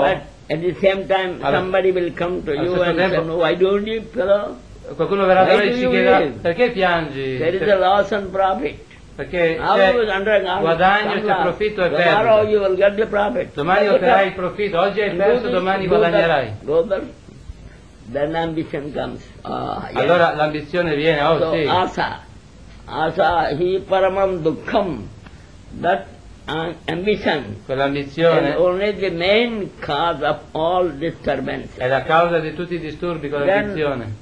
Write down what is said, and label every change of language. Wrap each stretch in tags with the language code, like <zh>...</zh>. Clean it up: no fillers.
<en>But at the same time somebody will come to you and say, no, why don't you, fellow?</en> <it>Qualcuno verrà da lei e ci chiederà, perché piangi?</it> <en>There is a loss and profit.</en> <it>Perché c'è guadagno, c'è profitto e perdita.</it> <en>Tomorrow you will get the profit.</en> <it>Domani otterrai il profitto. Oggi hai perso, domani guadagnerai.</it> <en>Go there. Then ambition comes. Oh, yes.</en> <it>Allora l'ambizione viene, oh</it> <en>so,</en> <it>sì.</it> <sa>Asa. Asa hi paramam dukkham,</sa> <en>that ambition.</en> <it>Quell'ambizione.</it> <en>And only the main cause of all disturbance.</en> <it>È la causa di tutti i disturbi con l'ambizione.</it>